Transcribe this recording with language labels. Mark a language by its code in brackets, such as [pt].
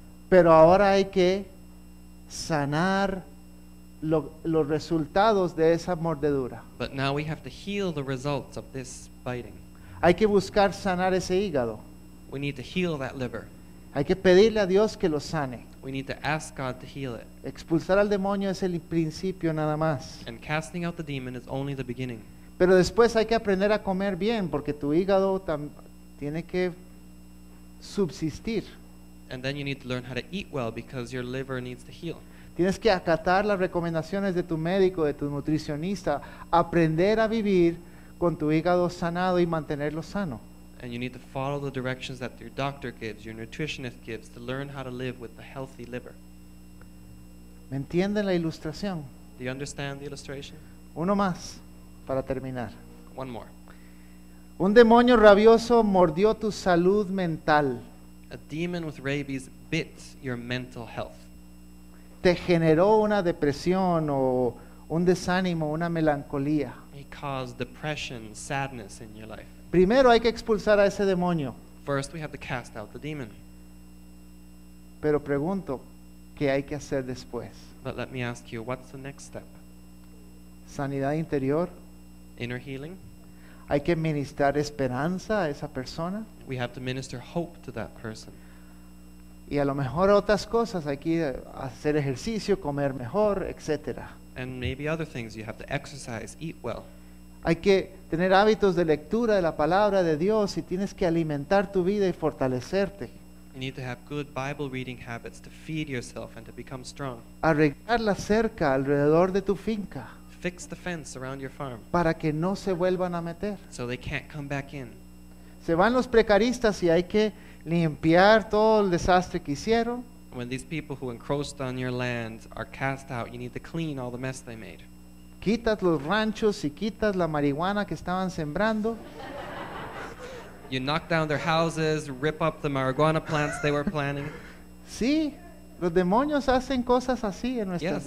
[es] Pero ahora hay que sanar los resultados de esa mordedura. [en] But now we have to heal the results of this biting. [es] Hay que buscar sanar ese hígado. [en] We need to heal that liver. [es] Hay que pedirle a Dios que lo sane. [en] We need to ask God to heal it. [es] Expulsar al demonio es el principio nada más. [en] And casting out the demon is only the beginning. [es] Pero después hay que aprender a comer bien porque tu hígado tiene que subsistir. [en] And then you need to learn how to eat well because your liver needs to heal. [es] Tienes que acatar las recomendaciones de tu médico, de tu nutricionista, aprender a vivir con tu hígado sanado y mantenerlo sano. [en] And you need to follow the directions that your doctor gives, your nutritionist gives, to learn how to live with a healthy liver. [es] ¿Me entienden la ilustración? [en] Do you understand the illustration? [es] Uno más, para terminar. [en] One more. [es] Un demonio rabioso mordió tu salud mental. [en] A demon with rabies bit your mental health. [es] Te generó una depresión o un desánimo, una melancolía. [en] He caused depression, sadness in your life. [es] Primero hay que expulsar a ese demonio. [en] First we have to cast out the demon. [es] Pero pregunto, ¿qué hay que hacer después? [en] But let me ask you, what's the next step? [es] Sanidad interior. [en] Inner healing. [es] Hay que ministrar esperanza a esa persona. [en] We have to minister hope to that person. [es] Y a lo mejor otras cosas, hay que hacer ejercicio, comer mejor, etcétera. [en] And maybe other things, you have to exercise, eat well. [es] Hay que tener hábitos de lectura de la palabra de Dios y tienes que alimentar tu vida y fortalecerte. [en] You need to have good Bible reading habits to feed yourself and to become strong. [es] Arreglar la cerca alrededor de tu finca. [en] Fix the fence around your farm. [es] Para que no se vuelvan a meter. [en] So they can't come back in. [es] Se van los precaristas y hay que limpiar todo el desastre que hicieron. [en] When these people who encroached on your land are cast out, you need to clean all the mess they made. [es] Quitas los ranchos y quitas la marihuana que estaban sembrando. [en] You knock down their houses, rip up the marijuana plants they were planting. [es] Sí, los demonios hacen cosas así en nuestras